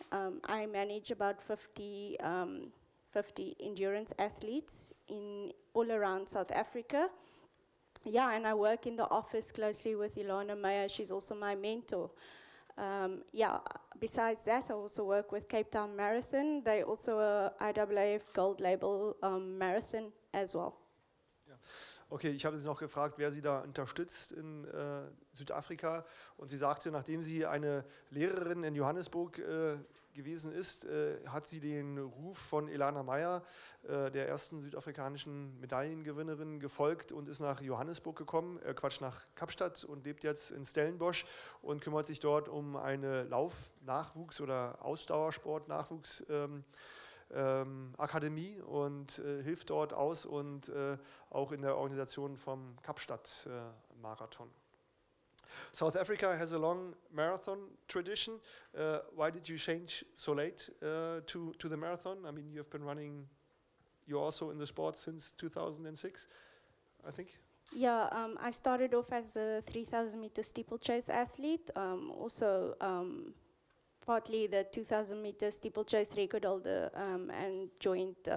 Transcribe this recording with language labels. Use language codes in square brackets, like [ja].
[en] I manage about 50 endurance athletes in all around South Africa. Yeah, and I work in the office closely with Ilana Meyer. She's also my mentor. Besides that, I also work with Cape Town Marathon. They also are IAAF Gold Label Marathon as well. [de] Ja. Okay, ich habe sie noch gefragt, wer sie da unterstützt in Südafrika. Und sie sagte, nachdem sie eine Lehrerin in Johannesburg gewesen ist, hat sie den Ruf von Ilana Meyer, der ersten südafrikanischen Medaillengewinnerin, gefolgt und ist nach Johannesburg gekommen, nach Kapstadt, und lebt jetzt in Stellenbosch und kümmert sich dort um eine Laufnachwuchs- oder Ausdauersportnachwuchsakademie und hilft dort aus und auch in der Organisation vom Kapstadt-Marathon. [en] South Africa has a long marathon tradition. Why did you change so late to the marathon? I mean, you've been running, you're also in the sport since 2006, I think. Yeah, I started off as a 3,000 meter steeplechase athlete, partly the 2,000 meter steeplechase record holder, and joined